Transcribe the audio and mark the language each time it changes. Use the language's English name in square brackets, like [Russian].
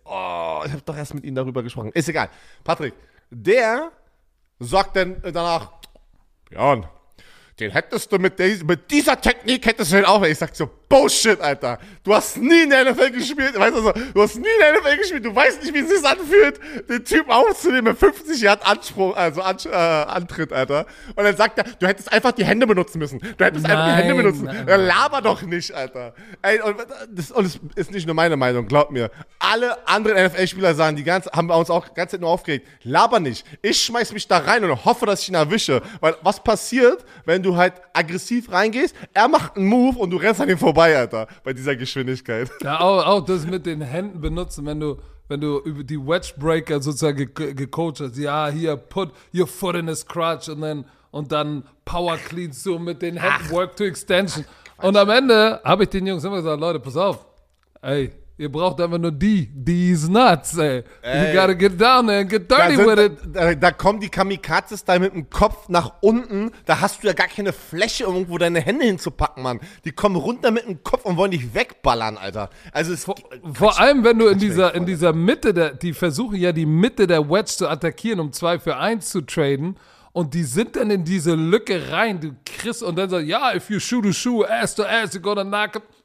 [German] Oh, ich hab doch erst mit ihm darüber gesprochen. Ist egal. Patrick, der sorgt dann danach, Björn, den hättest du mit dieser Technik hättest du den auch. Ich sag so, Bullshit, Alter. Du hast nie in der NFL gespielt. Weißt du so, du hast nie in der NFL gespielt. Du weißt nicht, wie es sich anfühlt, den Typ aufzunehmen. 50 Yard Anspruch, also Antritt, Alter. Und dann sagt er, du hättest einfach die Hände benutzen müssen. Du hättest einfach die Hände benutzen. Dann laber doch nicht, Alter. Ey, und es ist nicht nur meine Meinung, glaub mir. Alle anderen NFL-Spieler sagen, haben wir uns auch die ganze Zeit nur aufgeregt. Laber nicht. Ich schmeiß mich da rein und hoffe, dass ich ihn erwische. Weil was passiert, wenn du halt aggressiv reingehst? Er macht einen Move und du rennst an ihm vorbei. Alter, bei dieser Geschwindigkeit. Ja, auch das mit den Händen benutzen, wenn du über die Wedge-Breaker sozusagen gecoacht hast. Ja, hier, [English] put your foot in his crutch [German] und dann Power-Clean so mit den Händen, [English] work to extension. [German] Ach, und am Ende habe ich den Jungs immer gesagt, Leute, pass auf, ey, ihr braucht einfach nur [English] these nuts, [German] ey. [English] You gotta get down and get dirty with it. [German] Da kommen die Kamikazes da mit dem Kopf nach unten. Da hast du ja gar keine Fläche, um irgendwo deine Hände hinzupacken, Mann. Die kommen runter mit dem Kopf und wollen dich wegballern, Alter. Also vor allem, wenn du in dieser Mitte, die versuchen ja die Mitte der Wedge zu attackieren, um 2-for-1 zu traden. Und die sind dann in diese Lücke rein, du kriegst. Und dann so, ja, [English] if you shoot a shoe, ass to ass, you're gonna knock him.